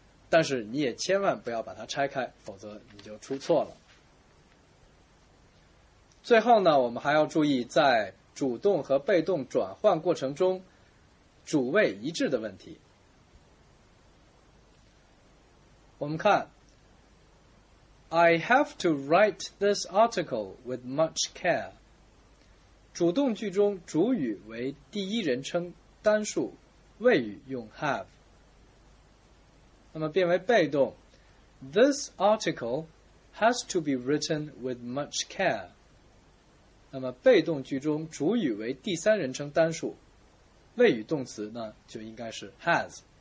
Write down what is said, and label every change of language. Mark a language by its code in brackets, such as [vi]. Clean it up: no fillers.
[zh] 但是你也千万不要把它拆开，否则你就出错了。最后呢，我们还要注意在主动和被动转换过程中主谓一致的问题。我们看 [en] I have to write this article with much care。 [zh] 主动句中主语为第一人称单数，谓语用 have。那么变为被动， [en] This article has to be written with much care。 [zh] 那么被动句中主语为第三人称单数，谓语动词呢就应该是 has。